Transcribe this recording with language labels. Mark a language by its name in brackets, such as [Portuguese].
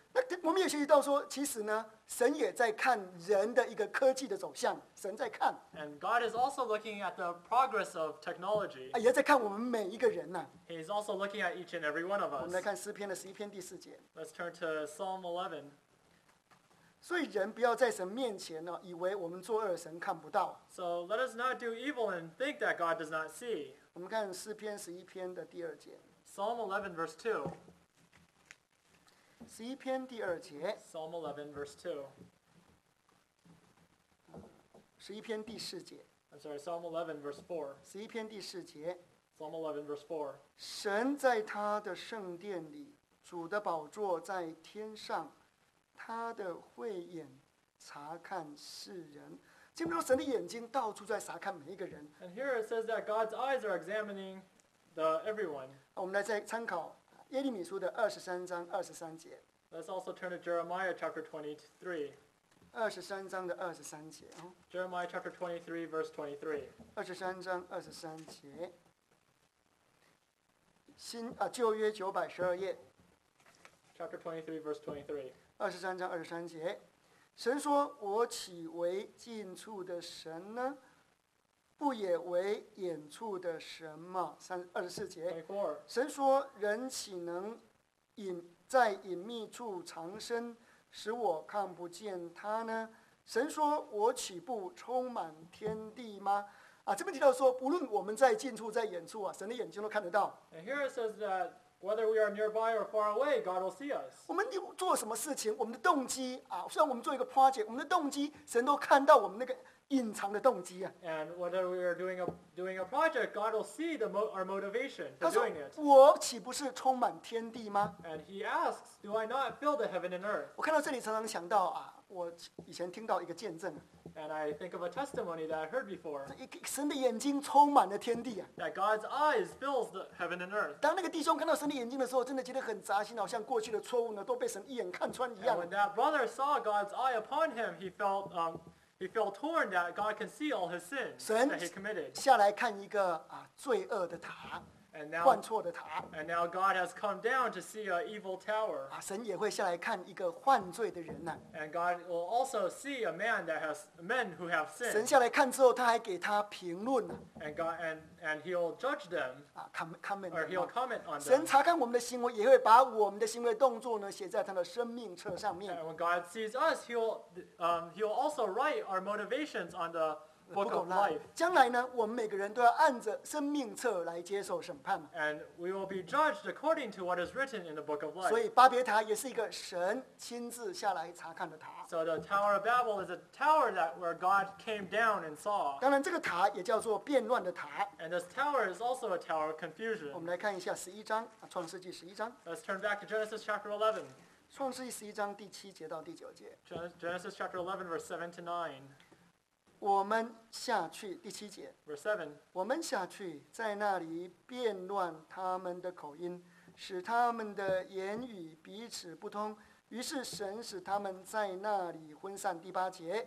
[Chinese] 那我们也学习到说，其实呢，神也在看人的一个科技的走向，神在看。 [English] And God is also looking at the progress of technology. [Chinese] 也在看我们每一个人呢。 [English] He is also looking at each and every one of us. [Chinese] 我们来看诗篇的十一篇第四节。 [English] Let's turn to Psalm 11. [Chinese] 所以人不要在神面前呢，以为我们作恶，神看不到。 [English] So let us not do evil and think that God does not see. [Chinese] 我们看诗篇十一篇的第二节。 [English] Psalm 11, verse 2. [Chinese] 十一篇第二节。 [English] Psalm 11, verse 2. [Chinese] 十一篇第四节。 [English] I'm sorry, Psalm 11, verse 4. [Chinese] 十一篇第四节。 [English] Psalm 11, verse 4. [Chinese] 神在他的圣殿里，主的宝座在天上，他的慧眼察看世人。基本上神的眼睛到处在察看每一个人。 [English] And here it says that God's eyes are examining the everyone. [Chinese] 我们来再参考耶利米书的二十三章二十三节。 [English] Let's also turn to Jeremiah chapter 23. [Chinese] 二十三章的二十三节。 [English] Jeremiah chapter 23, verse 23. [Chinese] 二十三章二十三节。旧约九百十二页。 [English] Chapter 23, verse 23. [Chinese] 二十三章二十三节。神说：“我岂为近处的神呢？” 不也为远处的神吗？二十四节。神说：“人岂能在隐秘处藏身，使我看不见他呢？” 神说：“我岂不充满天地吗？” 这边提到说，不论我们在近处，在远处神的眼睛都看得到。 [English] And here it says that whether we are nearby or far away, God will see us. [Chinese] 我们做什么事情，我们的动机虽然我们做一个 project， 我们的动机，神都看到我们那个。隐藏的动机 [English] And whether we are doing a project, God will see our motivation for doing it. [Chinese] 我岂不是充满天地吗 [English] ？And he asks, "Do I not fill the heaven and earth?" [Chinese] 我看到这里，常常想到我以前听到一个见证。 [English] And I think of a testimony that I heard before. [Chinese] 神的眼睛充满了天地 [English] That God's eyes fills the heaven and earth. [Chinese] 当那个弟兄看到神的眼睛的时候，真的觉得很扎心，好像过去的错误呢都被神一眼看穿一样。 [English] And when that brother saw God's eye upon him, he felt torn that God can see all his sins that he committed. [Chinese] 下来看一个罪恶的塔，犯错的塔。 [English] And now God has come down to see an evil tower. [Chinese] 神也会下来看一个犯罪的人 [English] And God will also see a man that has men who have sinned. [Chinese] 神下来看之后，他还给他评论。 [English] And he'll judge them. Comment. Or he'll comment on them. [Chinese] 神查看我们的行为，也会把我们的行为动作呢写在他的生命册上面。 [English] And when God sees us, he'll also write our motivations on the book of life. [Chinese] 将来呢，我们每个人都要按着生命册来接受审判。 [English] And we will be judged according to what is written in the book of life. [Chinese] 所以巴别塔也是一个神亲自下来查看的塔。 [English] So the Tower of Babel is a tower that where God came down and saw. [Chinese] 当然，这个塔也叫做变乱的塔。 [English] And this tower is also a tower of confusion. [Chinese] 我们来看一下十一章，创世纪十一章。 [English] Let's turn back to Genesis chapter 11. [Chinese] 创世纪十一章第七节到第九节。 [English] Genesis chapter 11, verse 7 to 9. [Chinese] 我们下去第七节 [English] Verse 7. [Chinese] 我们下去在那里变乱他们的口音使他们的言语彼此不通于是神使他们在那里昏散第八节